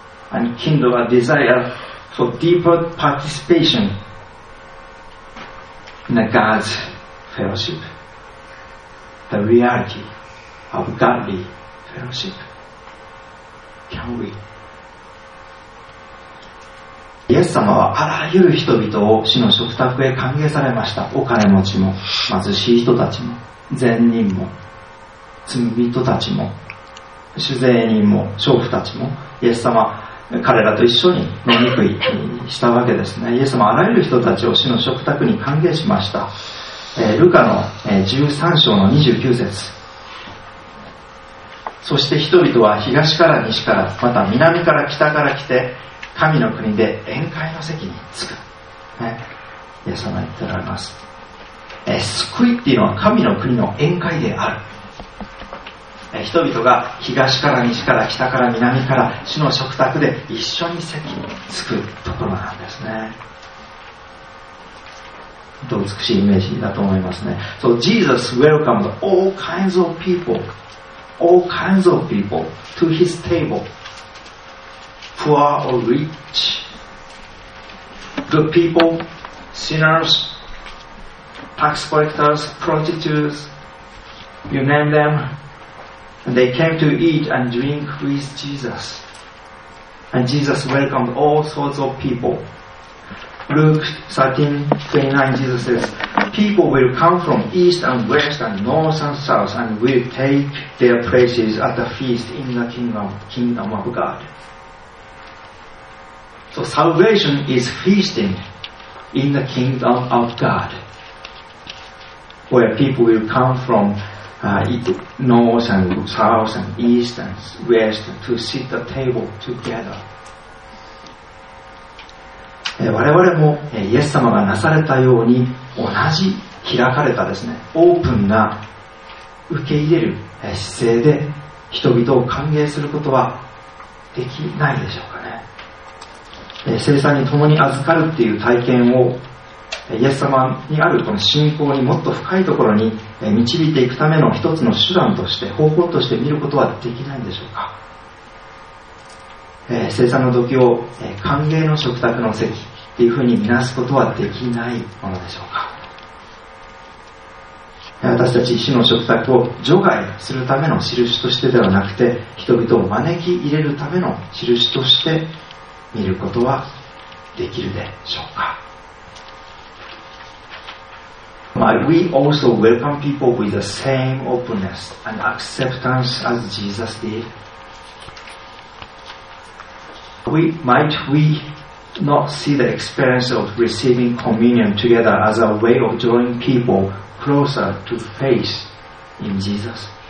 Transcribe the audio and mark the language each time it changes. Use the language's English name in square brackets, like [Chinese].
[English] And kindle a desire for deeper participation in the God's fellowship, the reality of godly fellowship. Can we? [Japanese] イエス様はあらゆる人々を主の食卓へ歓迎されました。お金持ちも貧しい人たちも、善人も罪人たちも、主税人も娼婦たちも、イエス様彼らと一緒に飲み食いしたわけですね。イエス様あらゆる人たちを主の食卓に歓迎しました。ルカの13章の29節。そして人々は東から西から、また南から北から来て、神の国で宴会の席に着く、ね、イエス様言っておられます。救いっていうのは神の国の宴会である。人々が東から西から北から南から主の食卓で一緒に席に着くところなんですね。と美しいイメージだと思いますね。 [English] So Jesus welcomed all kinds of people to his table. Poor or rich, good people, sinners, tax collectors, prostitutes, you name them, and they came to eat and drink with Jesus. And Jesus welcomed all sorts of people. Luke 13:29, Jesus says, people will come from east and west and north and south and will take their places at the feast in the kingdom of God. So salvation is feasting in the kingdom of God, where people will come from north and south and east and west to sit the table together. [Japanese] 我々もイエス様がなされたように同じ開かれたですね、オープンな受け入れる姿勢で人々を歓迎することはできないでしょうかね。聖餐に共に預かるっていう体験をイエス様にあるこの信仰にもっと深いところに導いていくための一つの手段として方法として見ることはできないんでしょうか。聖餐の時を歓迎の食卓の席っていうふうに見なすことはできないものでしょうか。私たち主の食卓を除外するための印としてではなくて、人々を招き入れるための印として見ることはできるでしょうか。 [English] We also welcome people with the same openness and acceptance as Jesus did. Might we not see the experience of receiving communion together as a way of drawing people closer to faith in Jesus?